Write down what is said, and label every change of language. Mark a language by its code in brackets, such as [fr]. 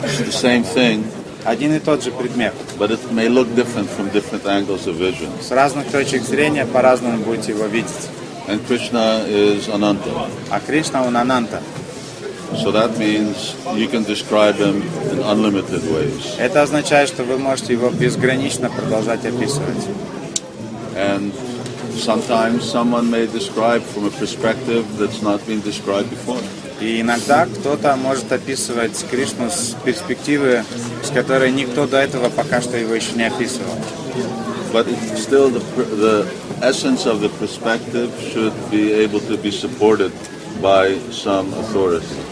[en] The same thing. [ru] Один и тот же предмет. [en] But it may look different from different angles of vision. [ru] С разных точек зрения по-разному будете его видеть. [en] And Krishna is Ananta. [ru] А Кришна он Ананта. [en] So that means you can describe him in unlimited ways. [ru] Это означает, что вы можете его безгранично продолжать описывать. [en] And sometimes someone may describe from a perspective that's not been described before. [ru] И иногда кто-то может описывать Кришну с перспективы, с которой никто до этого пока что его еще не описывал. [en] But still the essence of the perspective should be able to be supported by some authority.